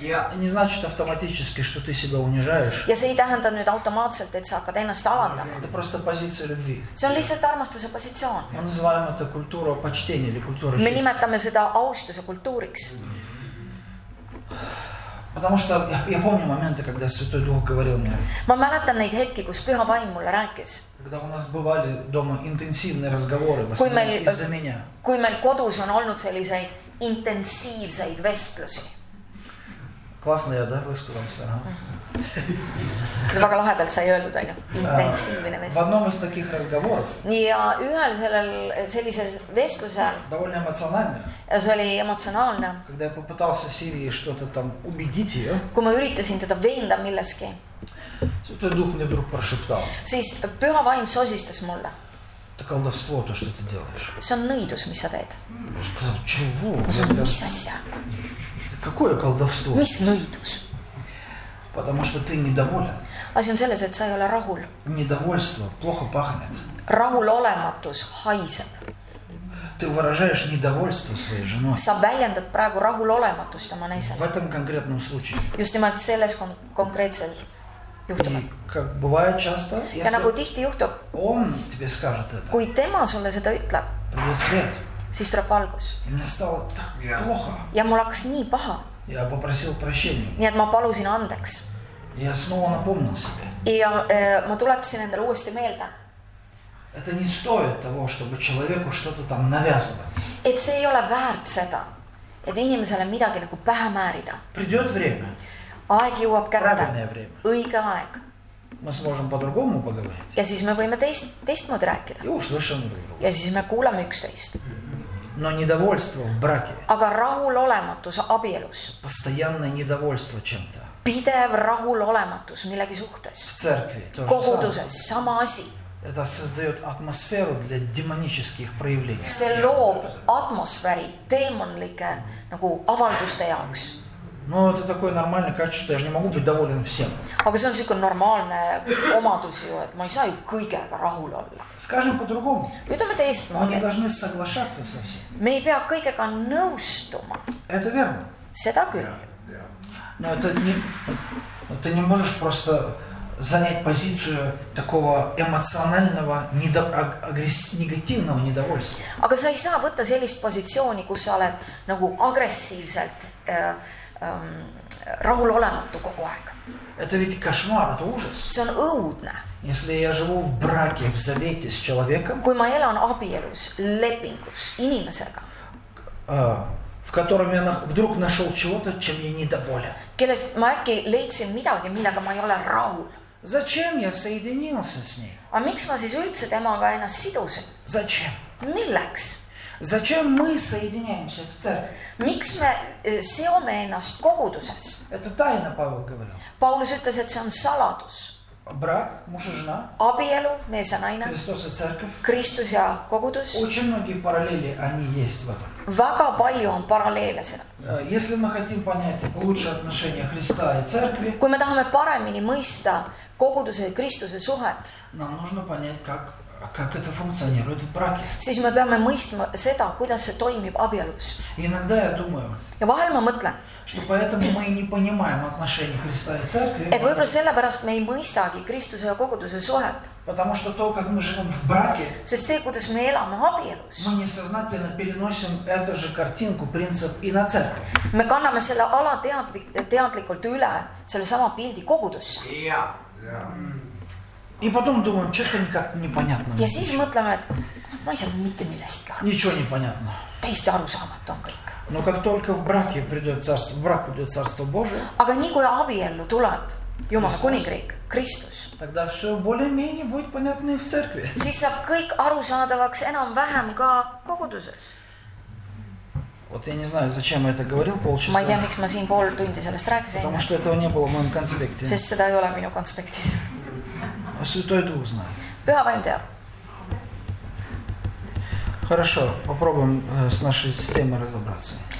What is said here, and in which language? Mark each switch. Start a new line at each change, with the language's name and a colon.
Russian: Ja не значит автоматически, что ты себя унижаешь.
Estonian: Ja see ei tähenda nüüd automaatselt, et sa hakkad ennast alandama.
Russian: Это просто позиция любви.
Estonian: See on lihtsalt armastuse positsioon.
Russian: Мы называем это культура почтения или культура чести.
Estonian: Me nimetame seda austuse kultuuriks.
Russian: Потому что я помню моменты, когда Святой Дух говорил мне.
Estonian: Ma mäletan neid hetki, kus Püha Vaim mulle rääkis.
Russian: Когда у нас бывали дома интенсивные разговоры, в основном из-за меня.
Estonian: Kui meil kodus on olnud selliseid intensiivseid vestlusi. Klasne ja vestlus. Väga lahedalt sai öeldud, aga intensiivne vestlus.
Russian: В одном из таких разговоров.
Estonian: Ja ühel sellel sellise vestluse.
Russian: Довольно эмоциональный.
Estonian: Ja see oli emotsionaalne.
Russian: Когда я попытался Сирии что-то там убедить ее.
Estonian: Kui ma üritasin teda veenda milleski.
Russian: Святой Дух мне вдруг прошептал.
Estonian: Siis Püha Vaim sosistas mulle.
Russian: Это колдовство, то, что ты делаешь.
Estonian: See on nõidus, mis sa teed.
Russian: Ma сказал, чего?
Estonian: Mis asja?
Russian: Какое колдовство?
Estonian: Mis nõidus?
Russian: Потому что ты недоволен.
Estonian: Asi on selles, et sa ei ole rahul.
Russian: Недовольство плохо пахнет.
Estonian: Rahul olematus haiseb.
Russian: Ты выражаешь недовольство своей женой.
Estonian: Sa väljendad praegu rahul olematust oma naisele.
Russian: В этом конкретном случае.
Estonian: Just nimelt selles konkreetsel.
Russian: Как бывает часто,
Estonian: ja nagu tihti juhtub,
Russian: он тебе скажет это.
Estonian: Kui tema sulle seda ütleb,
Russian: свет,
Estonian: siis tuleb valgus. Ja mulle
Russian: stalo tak plohha.
Estonian: Ja mul hakkas nii paha.
Russian: Ja попросил прощения.
Estonian: Nii et ma palusin andeks.
Russian: Ja снова напомнил себе.
Estonian: Ja ma tuletasin endale uuesti meelde.
Russian: Это не стоит того, чтобы человеку что-то там навязывать.
Estonian: Et see ei ole väärt seda, et inimesele midagi nagu pähe määrida.
Russian: Придет время.
Estonian: Aeg jõuab kätte.
Russian: Время.
Estonian: Õige aeg.
Russian: Мы сможем по-другому поговорить.
Estonian: Ja siis me võime teistmoodi rääkida.
Russian: Ja услышим друг друга.
Estonian: Ja siis me kuuleme üksteist.
Russian: Но недовольство в браке.
Estonian: Aga rahulolematus abielus.
Russian: Постоянное недовольство чем-то.
Estonian: Pidev rahulolematus millegi suhtes.
Russian: В церкви тоже самое.
Estonian: Koguduses sama asi.
Russian: Это создает атмосферу для демонических проявлений.
Estonian: See loob atmosfääri teemonlike nagu avalduste jaoks.
Russian: Ну, это такое нормальное качество, я же не могу быть доволен всем.
Estonian: Aga see on siuke normaalne omadus ju, et ma ei saa ju kõigega rahul olla.
Russian: Скажем по-другому.
Estonian: Ütleme teistmoodi.
Russian: Me должны соглашаться со всем.
Estonian: Me ei pea kõigega nõustuma.
Russian: Это верно.
Estonian: Seda küll.
Russian: Но это не... Ты не можешь просто занять позицию такого эмоционального, негативного недовольства.
Estonian: Aga sa ei saa võtta sellist positsiooni, kus sa oled nagu agressiivselt... rahul olematu kogu aeg.
Russian: Это ведь кошмар, это ужас.
Estonian: See on õudne.
Russian: Если я живу в браке, в завете с человеком,
Estonian: kui ma elan abielus, lepingus, inimesega,
Russian: в котором я вдруг нашел чего-то, чем я недоволен,
Estonian: kellest ma äkki leidsin midagi, millega ma ei ole rahul.
Russian: Зачем я соединился с ней?
Estonian: А miks ma siis üldse temaga ennast sidusin?
Russian: Зачем?
Estonian: Milleks?
Russian: Зачем мы соединяемся в церкви?
Estonian: Miks me seome ennast koguduses?
Russian: Это тайна, Павел говорил.
Estonian: Paulus ütles, et see on saladus.
Russian: Брак, муж и жена.
Estonian: Abielu, mees ja naine.
Russian: Христос и церковь.
Estonian: Kristus ja kogudus.
Russian: Очень многие параллели, они есть в этом.
Estonian: Väga palju on paralleele seda.
Russian: Если мы хотим понять лучше отношения Христа и церкви,
Estonian: kui me tahame paremini mõista koguduse ja Kristuse suhet,
Russian: нам нужно понять, как это функционирует в браке.
Estonian: Siis me peame mõistma seda, kuidas see toimib abielus.
Russian: Иногда я думаю,
Estonian: ja vahel ma mõtlen,
Russian: что поэтому мы и не понимаем отношения Христа и церкви.
Estonian: Et võibolla sellepärast me ei mõistagi Kristuse ja koguduse suhet.
Russian: Потому что то, как мы живем в браке,
Estonian: sest see, kuidas me elame abielus,
Russian: мы несознательно переносим эту же картинку, принцип и на церковь.
Estonian: Me kanname selle ala teadlikult üle selle sama pildi kogudusse.
Russian: И потом думаем, что-то как-то непонятно.
Estonian: Ja siis mõtleme, et ma ei saa mitte millestki aru.
Russian: Ничего непонятно.
Estonian: Täiesti arusaamatu on kõik.
Russian: Но как только в браке придет царство, брак придет царство Божие.
Estonian: Aga nii kui abiellu tuleb Jumala kuningriik, Kristus.
Russian: Тогда все более-менее будет понятно и в церкви.
Estonian: Siis saab kõik arusaadavaks enam-vähem ka koguduses.
Russian: Вот я не знаю, зачем я это говорил полчаса.
Estonian: Ma ei tea, miks ma siin pool tundi sellest rääkisin.
Russian: Потому что этого не было в моем конспекте.
Estonian: Sest seda ei ole minu konspektis.
Russian: А Святой Дух знает.
Estonian: Püha Vaim teab.
Russian: Хорошо, попробуем с нашей системой разобраться.